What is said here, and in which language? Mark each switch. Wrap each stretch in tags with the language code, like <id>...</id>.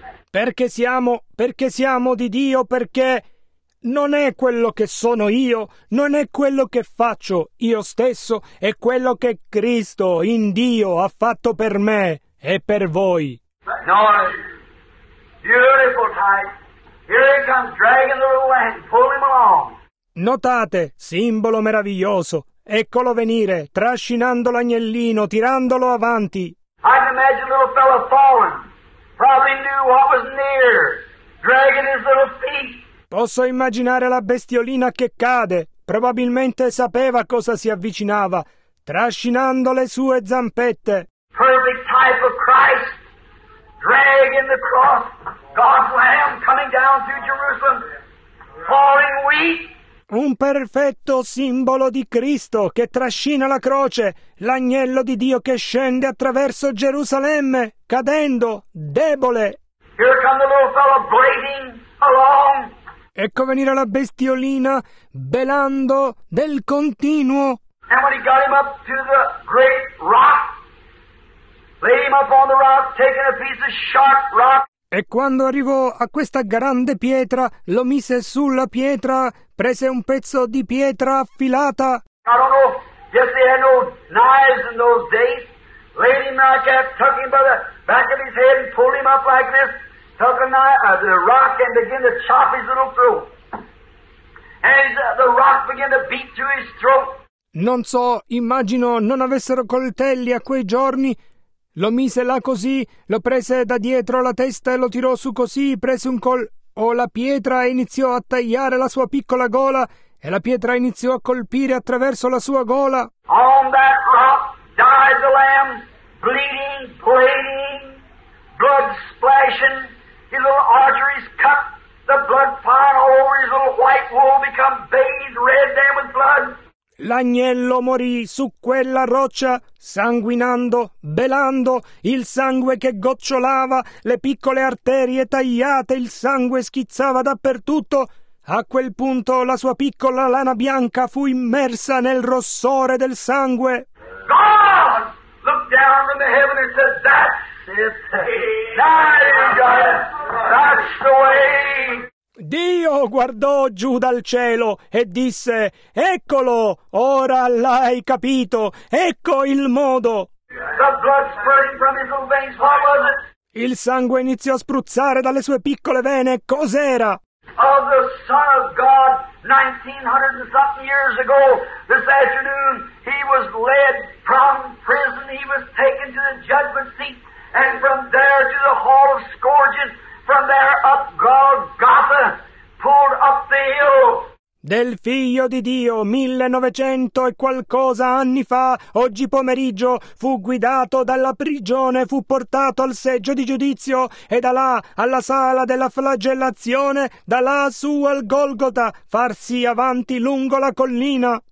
<it>Perché siamo di Dio, perché non è quello che sono io, non è quello che faccio io stesso, è quello che Cristo in Dio ha fatto per me e per voi.</it> <en>No, beautiful type. Here he comes dragging the little lamb, pull him along.</en> <it>Notate, simbolo meraviglioso, eccolo venire, trascinando l'agnellino, tirandolo avanti.</it> <en>I can imagine the little fellow falling, probably knew what was near, dragging his little feet.</en> <it>Posso immaginare la bestiolina che cade, probabilmente sapeva cosa si avvicinava, trascinando le sue zampette.</it> <en>Perfect type of Christ, dragging the cross, God's Lamb coming down to Jerusalem, falling weak.</en> <it>Un perfetto simbolo di Cristo che trascina la croce, l'agnello di Dio che scende attraverso Gerusalemme, cadendo, debole.</it> <en>Here comes the little fellow blading along.</en> <it>Ecco venire la bestiolina belando del continuo.</it> <en>And when he got him up to the great rock, laid him up on the rock, taking a piece of sharp rock.</en> <it>E quando arrivò a questa grande pietra, lo mise sulla pietra, prese un pezzo di pietra affilata.</it> <en>I don't know, guess they had no knives in those days, laid him like that, took him by the back of his head and pulled him up like this, took a knife, the rock, and began to chop his little throat. And the rock began to beat through his throat.</en> <it>Non so, immagino non avessero coltelli a quei giorni. Lo mise là così, lo prese da dietro la testa e lo tirò su così, prese un col... o la pietra e iniziò a tagliare la sua piccola gola, e la pietra iniziò a colpire attraverso la sua gola.</it> <en>On that rock died the lamb, bleeding, bleeding, blood splashing, his little arteries cut, the blood flying over his little white wool become bathed red there with blood.</en> <it>L'agnello morì su quella roccia, sanguinando, belando, il sangue che gocciolava, le piccole arterie tagliate, il sangue schizzava dappertutto. A quel punto la sua piccola lana bianca fu immersa nel rossore del sangue.</it> <en>God looked down from the heaven and said, that's it. Now you got it. That's the way.</en> <it>Dio guardò giù dal cielo e disse, eccolo, ora l'hai capito, ecco il modo.</it> <en>The blood spurting from his little veins, what was it?</en> <it>Il sangue iniziò a spruzzare dalle sue piccole vene, cos'era?</it> <en>Of the Son of God, 1900 and something years ago, this afternoon, he was led from prison, he was taken to the judgment seat, and from there to the hall of scourges. From there up Golgotha, pulled up the hill.</en> <it>Del figlio di Dio, 1900 e qualcosa anni fa, oggi pomeriggio, fu guidato dalla prigione, fu portato al seggio di giudizio, e da là, alla sala della flagellazione, da là su al Golgotha, farsi avanti lungo la collina.</it>